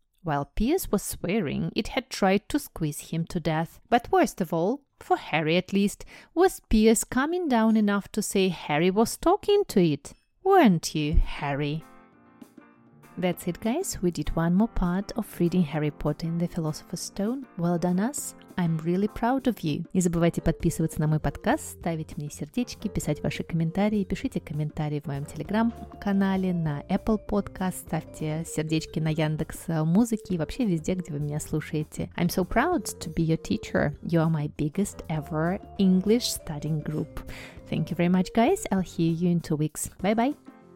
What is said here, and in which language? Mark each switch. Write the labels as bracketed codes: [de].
[en] While Pierce was swearing, it had tried to squeeze him to death. But worst of all, for Harry at least, was Pierce coming down enough to say Harry was talking to it. Weren't you, Harry? That's it, guys. We did one more part of reading Harry Potter and the Philosopher's Stone. Well done, us. I'm really proud of you. [ru] Не забывайте подписываться на мой подкаст, ставить мне сердечки, писать ваши комментарии. Пишите комментарии в моем Telegram-канале, на Apple Podcast, ставьте сердечки на Яндекс.Музыке и вообще везде, где вы меня слушаете. [en] I'm so proud to be your teacher. You are my biggest ever English studying group. Thank you very much, guys. I'll hear you in 2 weeks. Bye-bye.